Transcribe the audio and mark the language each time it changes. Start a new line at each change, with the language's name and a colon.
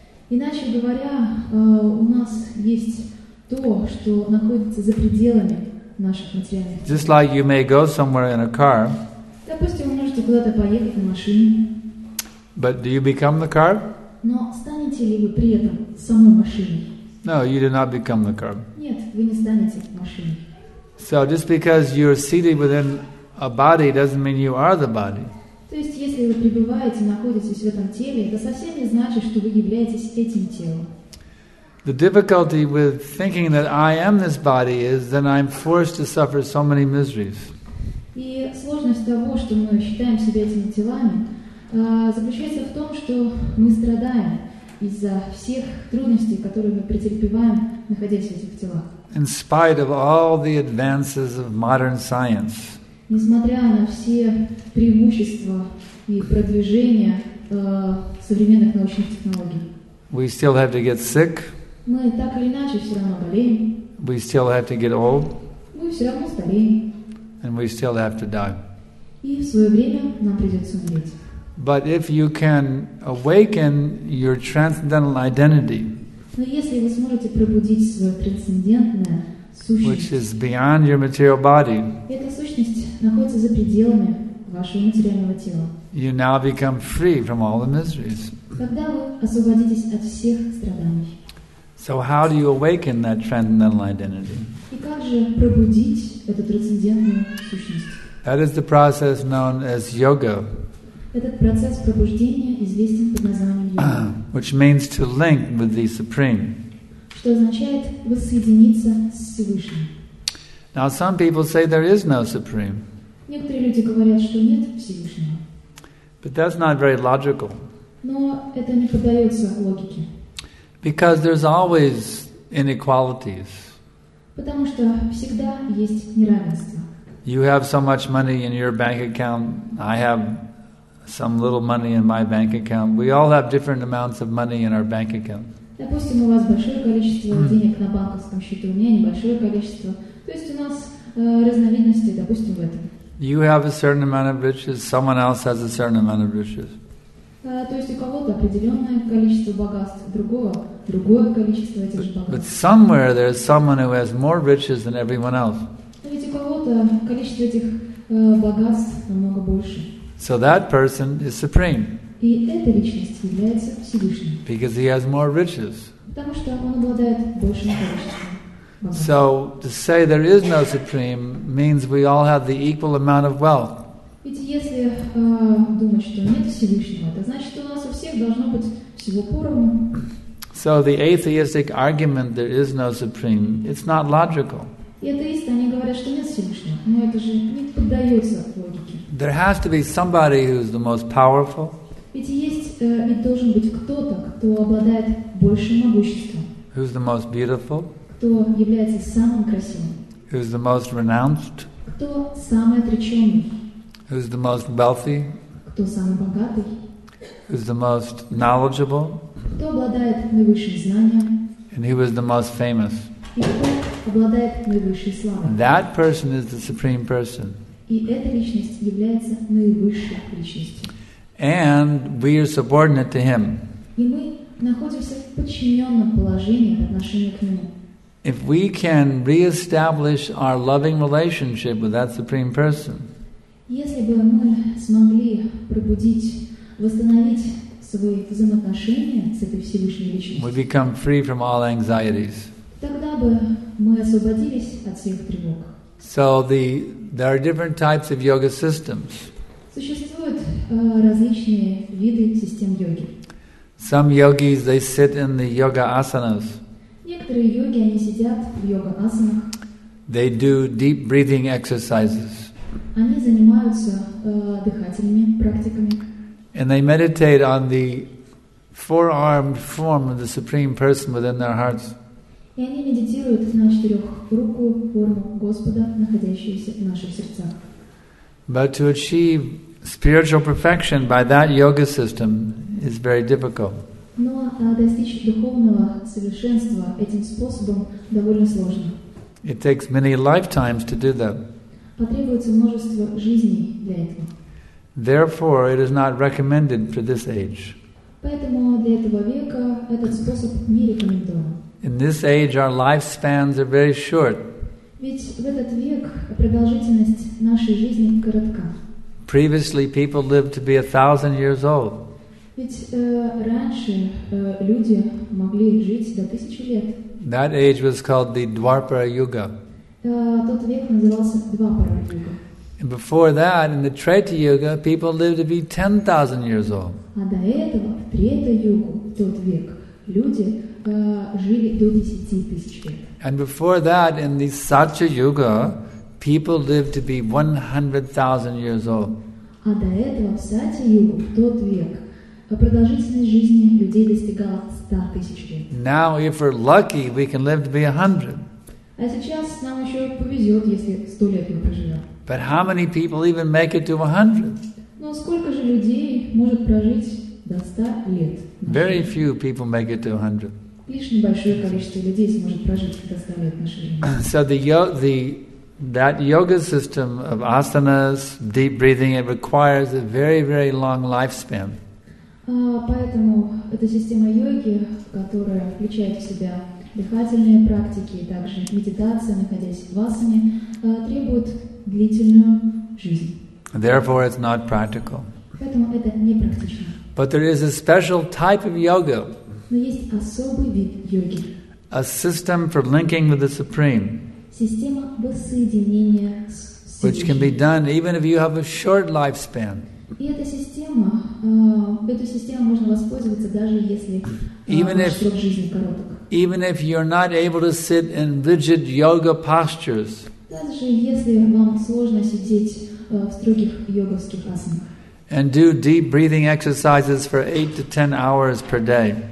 Russian: Иначе говоря, у нас есть то, что находится за пределами наших материальных тел.
English: Just like you may go somewhere in a car.
Russian: Допустим, вы можете куда-то поехать на машине.
English: But do you become the car?
Russian: Но станете ли вы при этом самой машиной?
English: No, you do not become the car.
Russian: Нет, вы не станете машиной.
English: So just because you're seated within a body doesn't mean you are the body.
Russian: То есть, если вы пребываете, находитесь в этом теле, это совсем не значит, что вы являетесь этим телом.
English: The difficulty with thinking that I am this body is that I'm forced to suffer so many miseries.
Russian: И сложность того, что мы считаем себя этими телами, заключается в том, что мы страдаем из-за всех трудностей, которые мы претерпеваем, находясь в этих телах.
English: In spite of all the advances of modern science.
Russian: Несмотря на все преимущества и продвижения современных научных технологий.
English: We still have to get sick.
Russian: Мы так или иначе все равно болеем.
English: We still have to get old.
Russian: Мы все равно стареем.
English: And we still have to die.
Russian: И в свое время нам придется умереть.
English: But if you can awaken your transcendental identity,
Russian: но если вы сможете пробудить свою трансцендентную сущность,
English: which is beyond your material body,
Russian: эта сущность находится за пределами вашего материального тела,
English: you now become free from all the miseries.
Russian: Тогда вы освободитесь от всех страданий.
English: So how do you awaken that transcendental identity?
Russian: И как же пробудить эту трансцендентную сущность?
English: That is the process known as yoga.
Russian: Этот процесс пробуждения известен под названием йога.
English: Which means to link with the Supreme.
Russian: Что означает воссоединиться с Всевышним.
English: Now some people say there is no Supreme.
Russian: Некоторые люди говорят, что нет Всевышнего.
English: But that's not very logical.
Russian: Но это не поддается логике.
English: Because there's always inequalities.
Russian: Потому что всегда есть неравенство.
English: You have so much money in your bank account, I have some little money in my bank account. We all have different amounts of money in our bank account.
Russian: Допустим, у вас большое количество денег на банковском счету, у меня небольшое количество. То есть у нас разновидности, допустим, в этом.
English: You have a certain amount of riches, someone else has a certain amount of riches.
Russian: То есть у кого-то определенное количество богатств, другое количество этих же богатств.
English: But somewhere there is someone who has more riches than everyone else.
Russian: Но ведь у кого-то количество этих богатств намного больше.
English: So that person is supreme.
Russian: И эта личность является Всевышним.
English: Because he has more riches.
Russian: Потому что он обладает большим количеством.
English: So to say there is no supreme means we all have the equal amount of wealth.
Russian: Ведь если думать, что нет Всевышнего, это значит, что у нас у всех должно быть всего поровну.
English: So the atheistic argument there is no supreme, it's not logical.
Russian: И атеисты, они говорят, что нет Всевышнего, но это же не поддается логике.
English: There has to be somebody who is the most powerful.
Russian: Ведь есть и должен быть кто-то, кто обладает большим могуществом.
English: Who's the most beautiful?
Russian: Кто является самым красивым?
English: Who's the most renowned?
Russian: Кто самый отреченный?
English: Who's the most wealthy?
Russian: Кто самый богатый?
English: Who's the most knowledgeable?
Russian: Кто обладает наивысшим знанием?
English: And who is the most famous?
Russian: И кто обладает наивысшей славой?
English: That person is the supreme person.
Russian: И эта личность является наивысшей личностью.
English: And we are subordinate to him.
Russian: И мы находимся в подчиненном положении по отношению к нему.
English: If we can reestablish our loving relationship with that supreme person.
Russian: Если бы мы смогли восстановить свои взаимоотношения с этой Всевышней личностью.
English: We become free from all anxieties.
Russian: Тогда бы мы освободились от всех тревог.
English: So there are different types of yoga systems.
Russian: Существуют различные виды систем йоги.
English: Some yogis, they sit in the yoga asanas.
Russian: Некоторые йоги, они сидят в йога асанах.
English: They do deep breathing exercises.
Russian: Они занимаются дыхательными практиками.
English: And they meditate on the four-armed form of the Supreme Person within their hearts.
Russian: И они медитируют на четырехрукую форму Господа, находящуюся в наших сердцах.
English: But to achieve spiritual perfection by that yoga system is very difficult.
Russian: Но достичь духовного совершенства этим способом довольно сложно.
English: It takes many lifetimes to do that.
Russian: Потребуется множество жизней для этого.
English: Therefore, it is not recommended for this age.
Russian: Поэтому для этого века этот способ не рекомендован.
English: In this age, our lifespans are very short.
Russian: Ведь в этот век продолжительность нашей жизни коротка.
English: Previously, people lived to be 1,000 years old.
Russian: Ведь раньше люди могли жить до 1000 лет.
English: That age was called the Dwapara Yuga.
Russian: Тот век назывался Двапара Юга.
English: Before that, in the Treta Yuga, people lived to be 10,000 years old.
Russian: А до этого в Трета Югу, тот век, люди жили до 10,000 лет.
English: And before that, in the Satya Yuga, people lived to be 100,000 years old.
Russian: А до этого в Сатья Югу, тот век, продолжительность жизни людей достигала 100,000 лет.
English: Now, if we're lucky, we can live to be 100.
Russian: А сейчас нам еще повезет, если 100 лет мы проживем.
English: But how many people even make it to 100?
Russian: Но сколько же людей может прожить до 100 лет?
English: Very few people make it to 100.
Russian: Лишь небольшое количество людей сможет прожить до 100 лет нашей жизни.
English: So that yoga system of asanas, deep breathing, it requires a very, very long lifespan.
Russian: Поэтому эта система йоги, которая включает в себя дыхательные практики и также медитация, находясь в асане, требует длительную жизнь.
English: Therefore, it's not practical.
Russian: Поэтому это не практично.
English: But there is a special type of yoga.
Russian: Но есть особый вид йоги.
English: A system for linking with the Supreme.
Russian: Система воссоединения с Всевышним.
English: Which can be done even if you have a short lifespan.
Russian: И эту систему можно воспользоваться даже если срок жизни короток.
English: Even if you're not able to sit in rigid yoga postures.
Russian: Даже если вам сложно сидеть в строгих йоговских асанах.
English: And do deep breathing exercises for 8 to 10 hours per day.